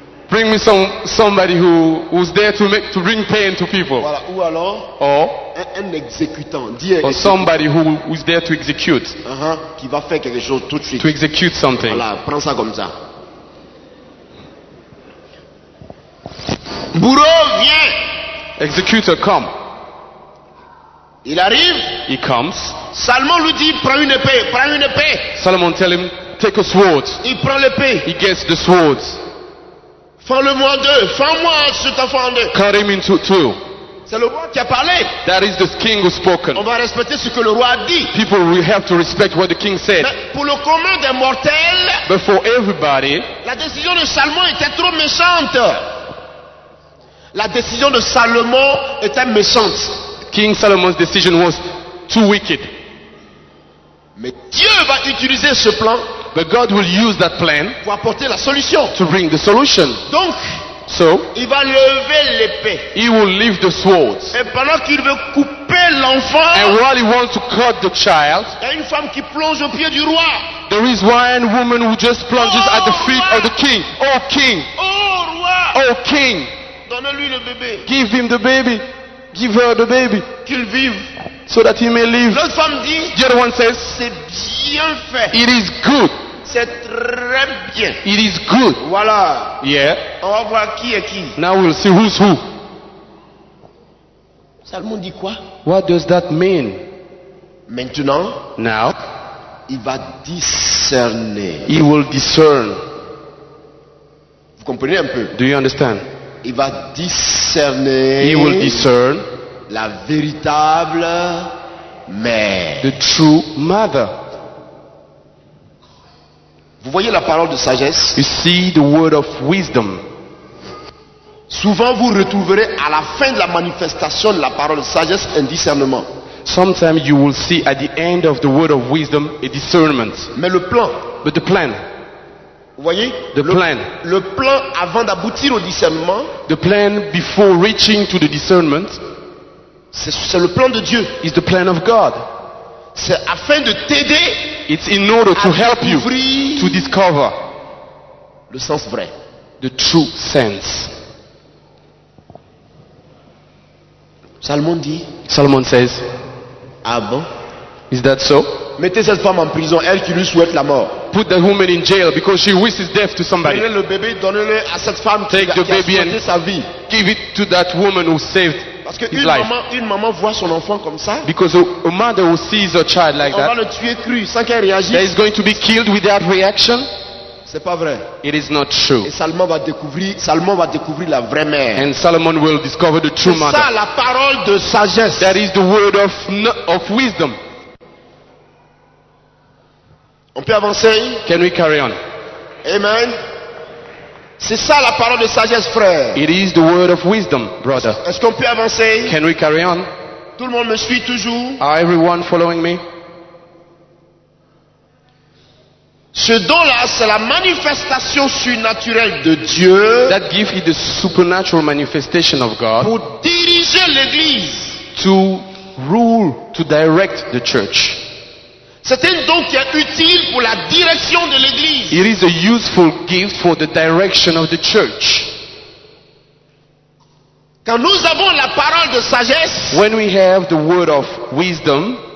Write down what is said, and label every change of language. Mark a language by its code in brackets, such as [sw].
[en] Bring me somebody who's there to bring pain to people. [fr] Voilà, ou alors, [en] or [fr] un exécutant. [en] Or somebody who's there to execute. [fr] Qui va faire quelque chose tout de suite. [en] To execute something. [fr] Voilà, prends ça comme ça. Bourreau, viens. [en] Executor, come. [fr] Il arrive. [en] He comes. [fr] Salomon lui dit, prends une épée, prends une épée. [en] Solomon tell him, take a sword. [fr] Il prend l'épée. [en] He gets the sword. [fr] Fends-le-moi en deux. Fends-moi cet enfant en deux. [en] Cut him into two. [fr] C'est le roi qui a parlé. [en] That is the king who spoken. [fr] On va respecter ce que le roi a dit. [en] People, we have to respect what the king said. [fr] Mais pour le commun des mortels, [en] but for everybody, [fr] la décision de Salomon était trop méchante. La décision de Salomon était méchante. [en] King Solomon's decision was too wicked. [fr] Mais Dieu va utiliser ce plan. [en] But God will use that plan [fr] pour apporter la solution. [en] To bring the solution. [fr] Donc, [en] so, [fr] il va lever l'épée. [en] He will lift the sword. [fr] Et pendant qu'il veut couper l'enfant, [en] and while he wants to cut the child, [fr] il y a une femme qui plonge au pied du roi. [en] There is one woman who just plunges at the feet [fr] roi. [en] Of the king. Oh king. [fr] Oh roi. [en] Oh king. [fr] Donne-lui le bébé. [en] Give him the baby. Give her the baby. [fr] Qu'il vive. [en] So that he may live. [fr] L'autre femme dit, [en] the other one says, [fr] c'est bien fait. [en] It is good. [fr] C'est très bien. [en] It is good. [fr] Voilà. [en] Yeah. [fr] On va voir qui est qui. [en] Now we'll see who's who. [fr] Salomon dit quoi? [en] What does that mean? [fr] Maintenant, [en] now, [fr] il va discerner. [en] He will discern. [fr] Vous comprenez un peu? [en] Do you understand? [fr] Il va discerner. [en] He will discern. [fr] La véritable mère. [en] The true mother. [fr] Vous voyez la parole de sagesse? [en] You see the word of wisdom. [fr] Souvent vous retrouverez à la fin de la manifestation de la parole de sagesse un discernement. [en] Sometimes you will see at the end of the word of wisdom a discernment. [fr] Mais le plan. [en] But the plan. [fr] Vous voyez? [en] The plan. [fr] Le plan avant d'aboutir au discernement. [en] The plan before reaching to the discernment. [fr] C'est le plan de Dieu. [en] It's the plan of God. [fr] C'est afin de t'aider. [en] It's in order to help you to discover [fr] le sens vrai. [en] The true sense. [fr] Salomon dit. [en] Solomon says. [fr] Ah bon? [en] Is that so? [fr] Mettez cette femme en prison, elle qui lui souhaite la mort. [en] Put that woman in jail because she wishes death to somebody. [fr] Prenez le bébé, donnez-le à cette femme. [en] Take the baby and [fr] sa vie. [en] Give it to that woman who saved. [fr] Parce qu'une maman voit son enfant comme ça. [en] Because a mother who sees a child like [fr] on [en] that. [fr] On va le tuer cru sans qu'elle réagisse. [en] That is going to be killed without reaction. [fr] C'est pas vrai. [en] It is not true. [fr] Et Salomon va découvrir la vraie mère. [en] And Solomon will discover the true mother. [fr] C'est ça la parole de sagesse. [en] That is the word of wisdom. [fr] On peut avancer? [en] Can we carry on? Amen. [fr] C'est ça la parole de sagesse, frère. [en] It is the word of wisdom, brother. [fr] Est-ce qu'on peut avancer? [en] Can we carry on? [fr] Tout le monde me suit toujours? [en] Are everyone following me? [fr] Ce don-là, c'est la manifestation surnaturelle de Dieu. [en] That gift is the supernatural manifestation of God. [fr] Pour diriger l'église. [en] To rule, to direct the church. [fr] C'est un don qui est utile pour la direction de l'église. [en] It is a useful gift for the direction of the church. [fr] Quand nous avons la parole de sagesse, [en] when we have the word of wisdom,